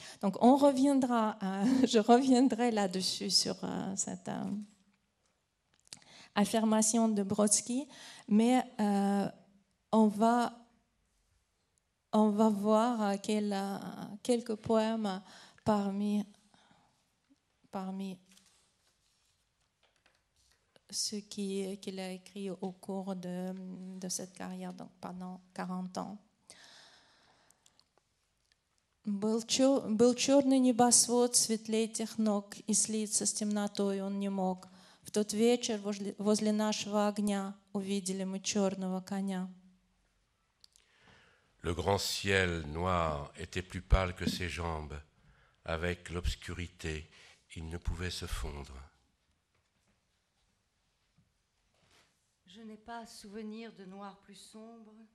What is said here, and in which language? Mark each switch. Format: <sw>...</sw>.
<fr>Donc, on reviendra, je reviendrai là-dessus, sur cette affirmation de Brodsky, mais on va voir quelques poèmes parmi ce qu'il a écrit au cours de cette carrière, donc pendant 40 ans.</fr> <ru>Был черный небосвод светлей тех ног, и слиться с темнотой он не мог. В тот вечер возле нашего огня увидели мы черного коня.</ru> <fr>Le grand ciel noir était plus pâle que ses jambes. Avec l'obscurité, il ne pouvait se fondre. Je n'ai pas souvenir de noir plus sombre.</fr>